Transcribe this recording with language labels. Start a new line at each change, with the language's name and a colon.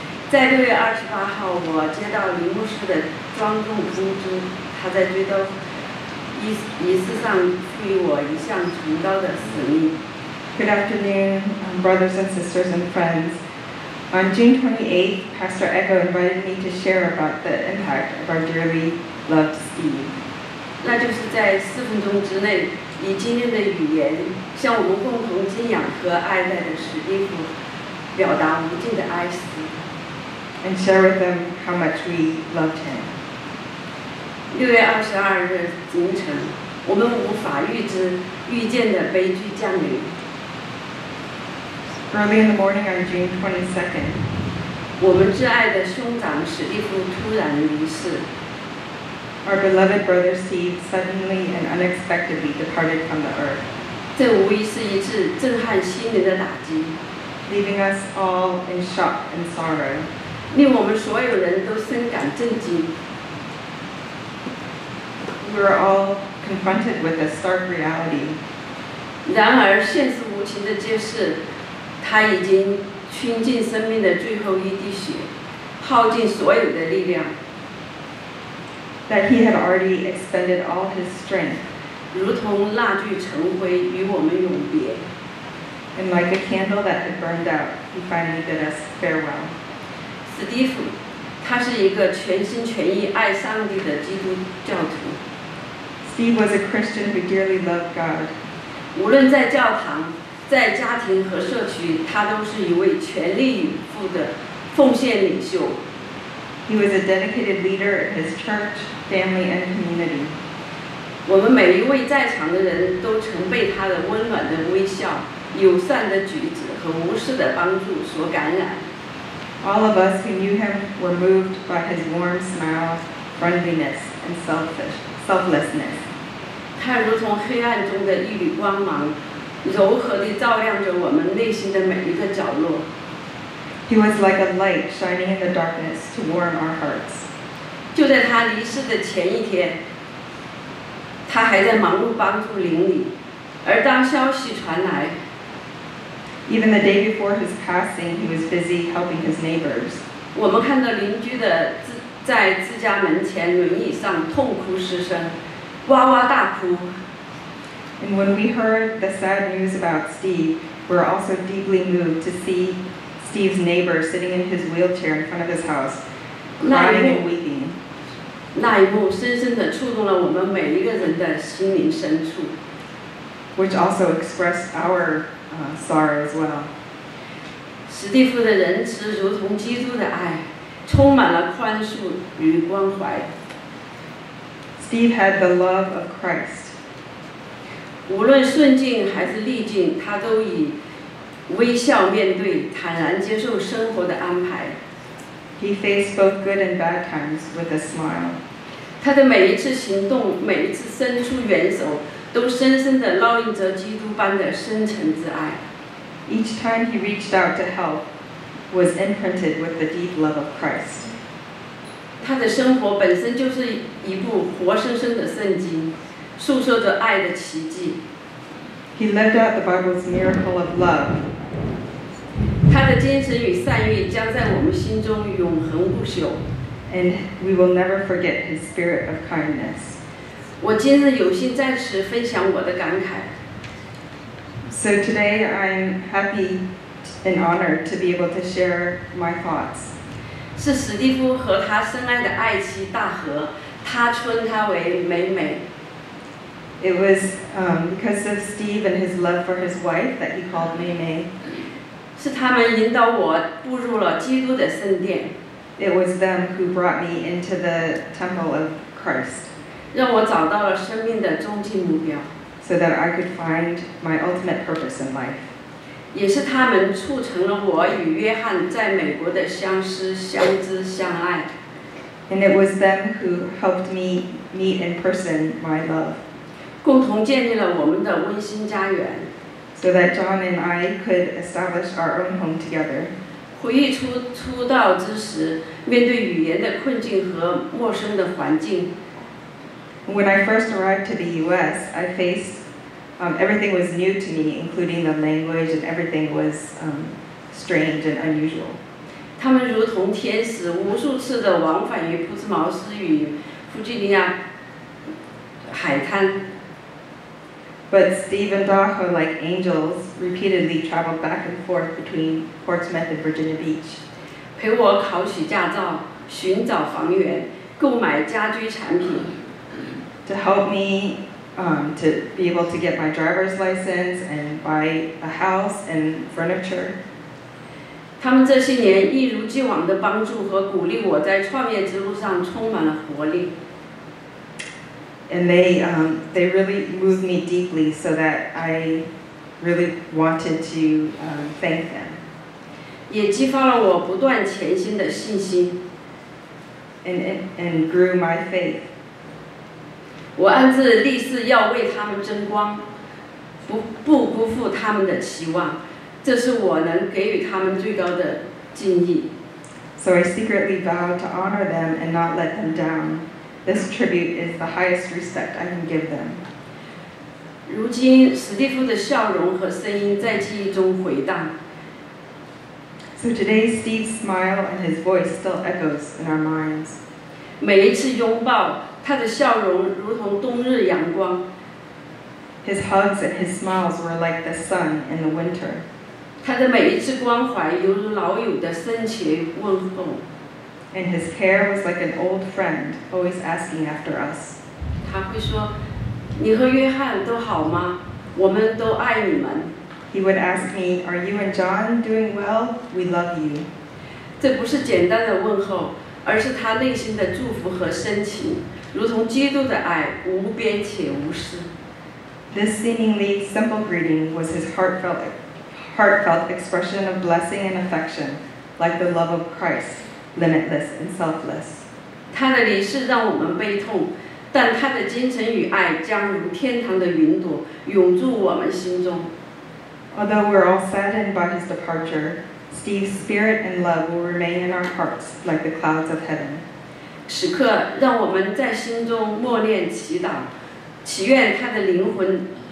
Chinese: 在6月28号，我接到林牧师的庄重通知，他在追悼仪式上赋予我一项崇高的使命。
English: Good afternoon, brothers and sisters and friends. On June 28th, Pastor Echo invited me to share about the impact of our dearly loved Steve.
Chinese: 那就是在四分钟之内，以今天的语言向我们共同敬仰和爱戴的史蒂夫表达无尽的哀思。
English: And share with them how much we loved him.
Chinese: 6月22日凌晨，我们无法预见的悲剧降临。
English: Early in the morning on June 22nd,
Chinese: 我们挚爱的兄长史蒂夫突然离世。
English: Our beloved brother Steve suddenly and unexpectedly departed from the earth.
Chinese: 这无疑是一次震撼心灵的打击。
English: Leaving us all in shock and sorrow.
Chinese: 令我们所有人都深感震惊。
English: We are all confronted with a stark reality.
Chinese: 然而，现实无情地揭示，他已经倾尽生命的最后一滴血，耗尽所有的力量。
English: That he had already expended all his strength.
Chinese: 如同蜡炬成灰，与我们永别。
English: And like a candle that had burned out, he finally bid us farewell.
Chinese: 史蒂夫，他是一个全心全意爱上帝的基督教徒。
English: Steve was a Christian who dearly loved God.
Chinese: 无论在教堂、在家庭和社区，他都是一位全力以赴的奉献领袖。
English: He was a dedicated leader in his church, family, and community.
Chinese: 我们每一位在场的人都曾被他的温暖的微笑、友善的举止和无私的帮助所感染。
English: All of us who knew him were moved by his warm smile, friendliness, and selflessness.
Chinese: 他如同黑暗中的一缕光芒，柔和地照亮着我们内心的每一个角落。
English: He was like a light shining in the darkness to warm our hearts.
Chinese: 就在他离世的前一天，他还在忙碌帮助邻里，而当消息传来
English: Even the day before his passing, he was busy helping his neighbors.
Chinese: 我们看到邻居的在自家门前轮椅上痛哭失声，哇哇大哭。
English: And when we heard the sad news about Steve, we were also deeply moved to see Steve's neighbor sitting in his wheelchair in front of his house, crying and weeping.
Chinese: 那一幕深深地触动了我们每一个人的心灵深处。
English: Which also expressed our sorrow as well.
Chinese: 史蒂夫的仁慈如同基督的爱，充满了宽恕与关怀。
English: Steve had the love of Christ.
Chinese: 无论顺境还是逆境，他都以微笑面对，坦然接受生活的安排。
English: He faced both good and bad times with a smile.
Chinese: 他的每一次行动，每一次伸出援手，都深深地烙印着基督般的深沉之爱。
English: Each time he reached out to help was imprinted with the deep love of Christ.
Chinese: 他的生活本身就是一部活生生的圣经，诉说着爱的奇迹。
English: He lived out the Bible's miracle of love.
Chinese: 他的坚持与善意将在我们心中永恒不朽。
English: And we will never forget his spirit of kindness.
Chinese: 我今日有幸在此分享我的感慨。
English: So today I'm happy and honored to be able to share my thoughts.
Chinese: 是史蒂夫和他深爱的爱妻大河，他称她为美美。
English: It was because of Steve and his love for his wife that he called Mei Mei.
Chinese: 是他们引导我步入了基督的圣殿。
English: It was them who brought me into the temple of Christ.
Chinese: 让我找到了生命的终极目标。
English: So that I could find my ultimate purpose in life.
Chinese: 也是他们促成了我与约翰在美国的相识、相知、相爱。
English: And it was them who helped me meet in person my love.
Chinese: 共同建立了我们的温馨家园
English: so that John and I could establish our own home together.
Chinese: 回忆初到之时，面对语言的困境和陌生的环境。
English: When I first arrived to the U.S., I faced everything was new to me, including the language, and everything was strange and unusual.
Chinese: 他们如同天使，无数次的往返于普兹茅斯与弗吉尼亚海滩。
English: But Steve and Daho, like angels, repeatedly traveled back and forth between Portsmouth and Virginia Beach.
Chinese: 陪我考取驾照，寻找房源，购买家居产品。
English: To help me to be able to get my driver's license and buy a house and furniture.
Chinese: 他们这些年一如既往的帮助和鼓励我在创业之路上充满了活力。
English: And they really moved me deeply so that I really wanted to thank them.
Chinese: 也激发了我不断前行的信心。
English: And grew my faith.
Chinese: 我暗自立誓要为他们争光，不辜负他们的期望，这是我能给予他们最高的敬意。
English: So I secretly vowed to honor them and not let them down. This tribute is the highest respect I can give them.
Chinese: 如今，史蒂夫的笑容和声音在记忆中回荡。
English: So today, Steve's smile and his voice still echoes in our minds.
Chinese: 每一次拥抱，他的笑容如同冬日阳光。
English: His hugs and his smiles were like the sun in the winter.
Chinese: 他的每一次关怀犹如老友的深情问候。
English: And his care was like an old friend, always asking after us.
Chinese: 他会说，你和约翰都好吗？我们都爱你们。
English: He would ask me, are you and John doing well? We love you.
Chinese: 这不是简单的问候，而是他内心的祝福和深情，如同基督的爱，无边且无私。
English: This seemingly simple greeting was his heartfelt expression of blessing and affection, like the love of Christ. Limitless and selfless.
Chinese: 他的离世让我们悲痛，但他的精神与爱将如天堂的云朵涌入我们心中。
English: Although we're all saddened by his departure, Steve's spirit and love will remain in our hearts like the clouds of heaven.
Chinese: 此刻，让我们在心中默念祈祷，祈愿他的灵魂